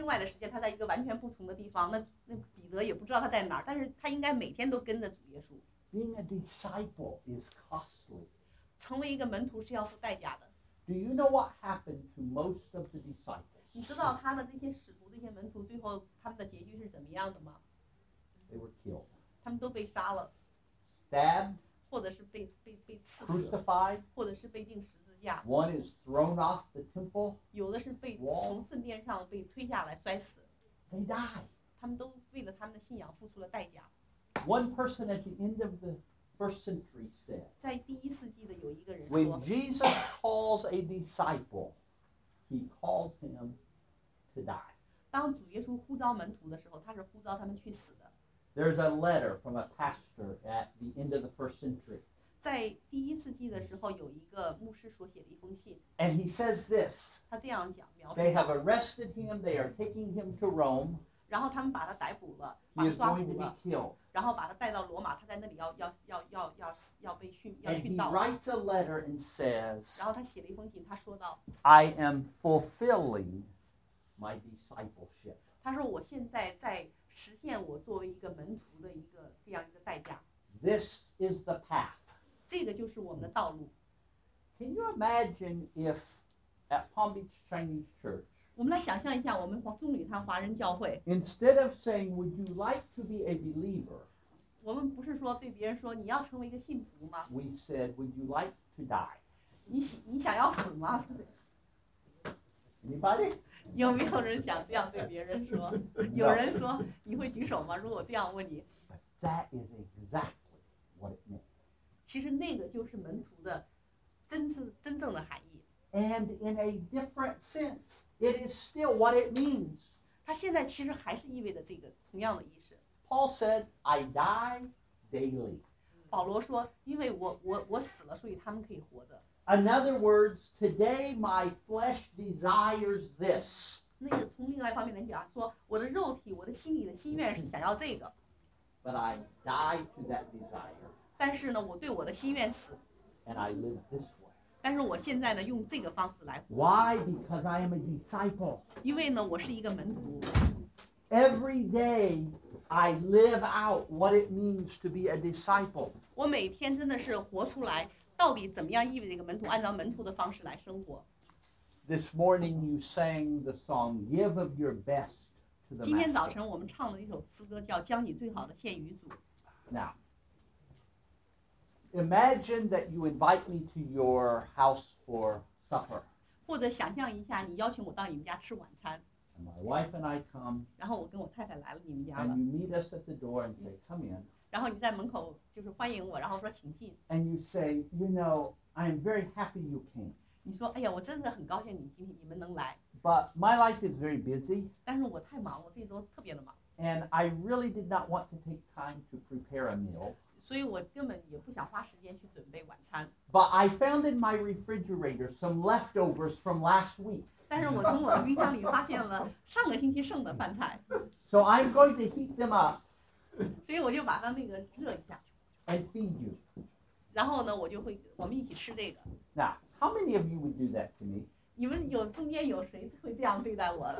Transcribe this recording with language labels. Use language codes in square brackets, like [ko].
[zh] 也许在主耶稣,可能在另外的时间,他在一个完全不同的地方, 那彼得也不知道他在哪儿, 但是他应该每天都跟着主耶稣。 [en] Being a disciple is costly. [zh] 成为一个门徒是要付代价的。 [en] Do you know what happened to most of the disciples? [zh] 你知道他的这些使徒,这些门徒,最后他们的结局是怎么样的吗? [en] They were killed. [zh] 他们都被杀了。 [en] Stabbed. [zh] 或者是被刺死。 [en] Crucified. [zh] 或者是被钉十字架。 [en] One is thrown off the temple. [zh] 有的是被从圣殿上被推下来摔死。 [en] They die. [zh] 他们都为了他们的信仰付出了代价。 [en] One person at the end of the First century said, [zh] 在第一世纪的有一个人说, [en] when Jesus calls a disciple, he calls him to die. [zh] 当主耶稣呼召门徒的时候,他是呼召他们去死的。 [en] There's a letter from a pastor at the end of the first century. [zh] 在第一世纪的时候，有一个牧师所写的一封信。 [en] And he says this. [zh] 他这样讲，描述。 [en] They have arrested him. They are taking him to Rome. [zh] 然后他们把他逮捕了，把他抓回去了。然后把他带到罗马，他在那里要被训，要训道。 [en] And he writes a letter and says. [zh] 然后他写了一封信，他说到。 [en] I am fulfilling my discipleship. [zh] 他说我现在在实现我作为一个门徒的一个这样一个代价。 [en] This is the path. [zh] 这个就是我们的道路。 [en] Can you imagine if at Palm Beach Chinese Church, [zh] 我们来想象一下，我们棕榈滩华人教会。 [en] Instead of saying, "Would you like to be a believer?" [zh] 我们不是说对别人说你要成为一个信徒吗 [en] ？We said, "Would you like to die?" [zh] 你想要死吗 [en] ？Anybody? [zh] 有没有人想这样对别人说？有人说你会举手吗？如果这样问你 [en] ，But that is exactly what it meant. [zh] 其实那个就是门徒的真正的含义。 [en] And in a different sense, it is still what it means. [zh] 他现在其实还是意味着这个同样的意思。 [en] Paul said, "I die daily." [zh] 保罗说，因为我死了，所以他们可以活着。 [en] In other words, today my flesh desires this. [zh] 那个从另外一方面来讲，说我的肉体，我的心里的心愿是想要这个。 [en] But I die to that desire. [zh] 但是呢，我对我的心愿死。 [en] And I live this way. [zh] 但是我现在呢，用这个方式来活。 [en] Why? Because I am a disciple. [zh] 因为呢，我是一个门徒。 [en] Every day, I live out what it means to be a disciple. [zh] 我每天真的是活出来，到底怎么样意味着一个门徒，按照门徒的方式来生活。 [en] This morning you sang the song, "Give of your best to the Master." [zh] 今天早晨我们唱了一首诗歌，叫《将你最好的献于主》。 [en] Now. Imagine that you invite me to your house for supper. [zh] 或者想象一下，你邀请我到你们家吃晚餐。 [en] And my wife and I come. [zh] 然后我跟我太太来了你们家了。 [en] And you meet us at the door and say, "Come in." [zh] 然后你在门口就是欢迎我，然后说请进。 [en] And you say, "You know, I am very happy you came." [zh] 你说，哎呀，我真的很高兴你们能来。 [en] But my life is very busy. [zh] 但是我太忙，我这周特别的忙。 [en] And I really did not want to take time to prepare a meal. [zh] 所以我根本也不想花时间去准备晚餐。 [en] But I found in my refrigerator some leftovers from last week. [zh] 但是我从我的冰箱里发现了上个星期剩的饭菜。 [en] So I'm going to heat them up. [zh] 所以我就把它那个热一下。 [en] And feed you. [zh] 然后呢，我们一起吃这个。 [en] Now, how many of you would do that to me? [zh] 你们有中间有谁会这样对待我